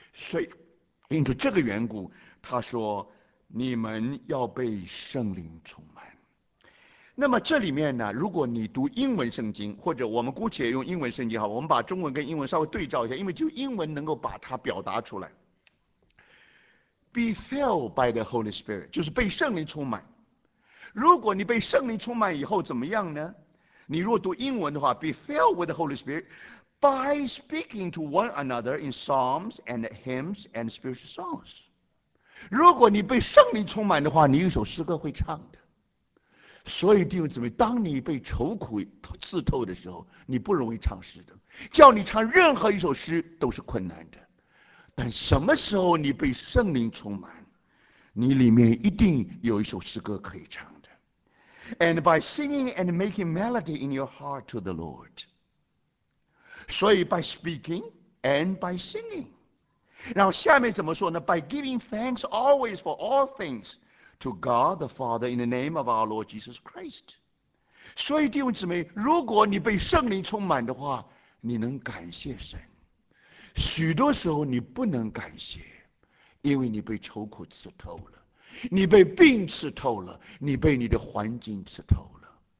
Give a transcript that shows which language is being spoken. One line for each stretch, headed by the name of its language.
Chinese: 所以因着这个缘故，他说你们要被圣灵充满。那么这里面呢，如果你读英文圣经，或者我们姑且用英文圣经好，我们把中文跟英文稍微对照一下，因为就英文能够把它表达出来。
English: Be filled by the Holy Spirit
Chinese: 就是被圣灵充满。如果你被圣灵充满以后怎么样呢？你如果读英文的话，
English: Be filled with the Holy Spirit by speaking to one another in psalms and hymns and spiritual songs。
Chinese: 如果你被圣灵充满的话，你有首诗歌会唱的。所以弟兄姊妹，当你被愁苦刺透的时候，你不容易唱诗的，叫你唱任何一首诗都是困难的。但什么时候你被圣灵充满，你里面一定有一首诗歌可以唱的。
English: And by singing and making melody in your heart to the Lord。
Chinese: 所以
English: by speaking and by singing。
Chinese: 然后下面怎么说呢？
English: By giving thanks always for all things to God the Father in the name of our Lord Jesus Christ。
Chinese: 所以弟兄姊妹，如果你被圣灵充满的话，你能感谢神。许多时候你不能感谢，因为你被愁苦刺透了，你被病刺透了，你被你的环境刺透了。